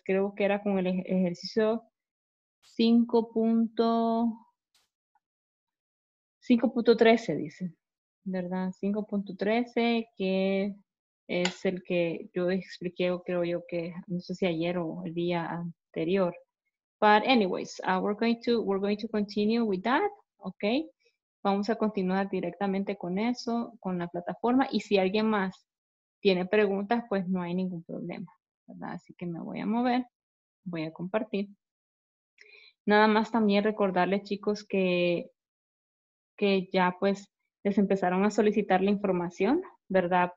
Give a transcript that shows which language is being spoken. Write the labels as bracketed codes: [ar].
[es] Creo que era con el ejercicio 5.13, dice, ¿verdad? 5.13, que es el que yo expliqué, creo yo que, no sé si ayer o el día anterior, [en] But anyways, we're going to continue with that, okay? [es] Vamos a continuar directamente con eso, con la plataforma. Y si alguien más tiene preguntas, pues no hay ningún problema, ¿verdad? Así que me voy a mover, voy a compartir. Nada más también recordarles, chicos, que ya pues les empezaron a solicitar la información, ¿verdad?